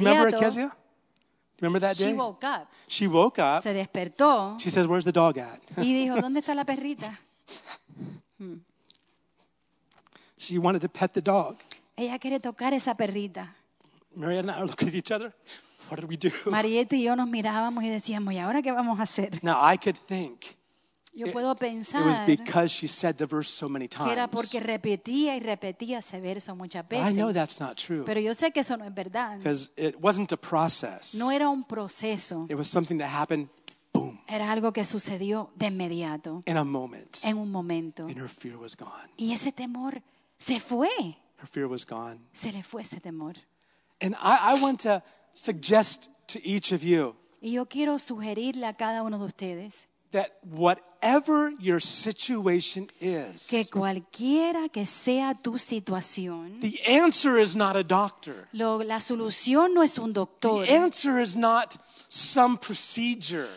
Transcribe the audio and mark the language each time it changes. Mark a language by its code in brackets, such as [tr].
[en] you remember Kezia? Remember that day? She woke up. She woke up. [es] Se despertó. [en] She says, where's the dog at? [es] Y dijo, ¿dónde está la perrita? [en] She wanted to pet the dog. [es] Ella quiere tocar esa perrita. [en] Maria and I are looking at each other. What did we do? [es] Marieta y yo nos mirábamos y decíamos, ¿y ahora qué vamos a hacer? [en] Now, I could think. [es] Yo puedo pensar. [en] It was because she said the verse so many times. [es] Que era porque repetía y repetía ese verso muchas veces. [en] I know that's not true. [es] Pero yo sé que eso no es verdad. [en] Because it wasn't a process. [es] No era un proceso. [en] It was something that happened, boom. [es] Era algo que sucedió de inmediato. [en] In a moment. [es] En un momento. [en] And her fear was gone. [es] Y ese temor se fue. [en] Her fear was gone. [es] Se le fue ese temor. [en] And I want to suggest to each of you. [es] Y yo quiero sugerirle a cada uno de ustedes. [en] That whatever your situation is, [es] que cualquiera que sea tu situación, [en] the answer is not a doctor. [es] La solución no es un doctor. [en] The answer is not some procedure.